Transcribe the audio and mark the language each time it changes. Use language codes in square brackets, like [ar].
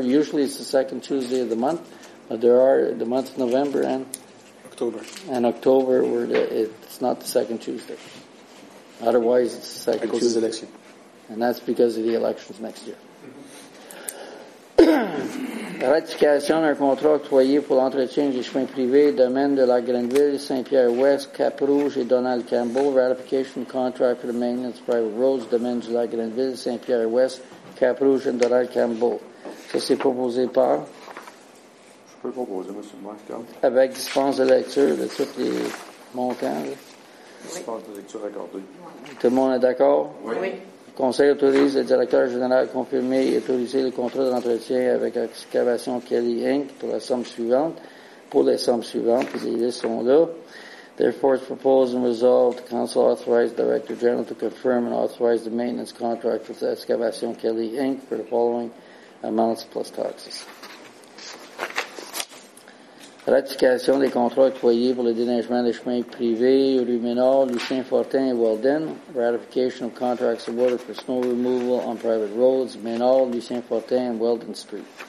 [en] Usually it's the second Tuesday of the month, but there are the month of November and... October. And October, where it's not the second Tuesday. Otherwise, it's the second Tuesday. Because of the election. And that's because of the elections next year. [fr] Ratification d'un contrat octroyé pour l'entretien des chemins privés, domaine de la Grande-Ville, Saint-Pierre-Ouest, Cap-Rouge et Donald Campbell. [en] Ratification contract for the maintenance of private roads, domaine de la Grande-Ville, Saint-Pierre-Ouest, Cap-Rouge et Donald Campbell. [fr] Ça, c'est proposé par? Je peux proposer, M. le maire. Avec dispense de lecture de tous les montants. Là. Dispense de lecture accordée. Tout le monde est d'accord? Oui. Oui. Le conseil autorise le directeur général à confirmer et autoriser le contrat d'entretien avec Excavation Kelly Inc. pour la somme suivante. Pour les sommes suivantes, les listes sont là. [en] Therefore, it's proposed and resolved the council authorize the director general to confirm and authorize the maintenance contract with Excavation Kelly Inc. for the following amounts plus taxes. [fr] Ratification des contrats octroyés pour le déneigement des chemins privés, Rue Ménard, Lucien Fortin et Walden. [en] Ratification of contracts awarded for snow removal on private roads, Ménard, Lucien Fortin et Walden Street.